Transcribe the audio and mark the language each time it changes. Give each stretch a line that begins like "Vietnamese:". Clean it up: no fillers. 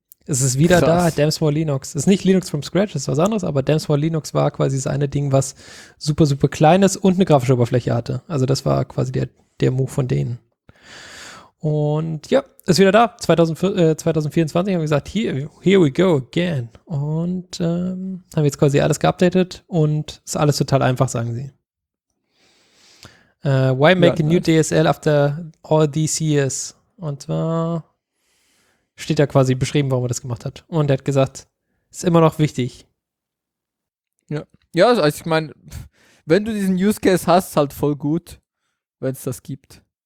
German: Es ist wieder krass. Da, Damn small Linux. Es ist nicht Linux from scratch, das ist was anderes, aber Damn small Linux war quasi das eine Ding, was super, super klein ist und eine grafische Oberfläche hatte. Also das war quasi der Move von denen. Und ja, ist wieder da. 2024 haben wir gesagt,
English: here we go again.
German: Und haben jetzt quasi alles geupdatet und ist alles total einfach, sagen sie.
English: Why make a new DSL after all these years?
German: Und zwar steht da quasi beschrieben, warum er das gemacht hat. Und er hat gesagt, ist immer noch wichtig. Ja, also ich meine, wenn du diesen Use Case hast, ist halt voll gut, wenn es das gibt.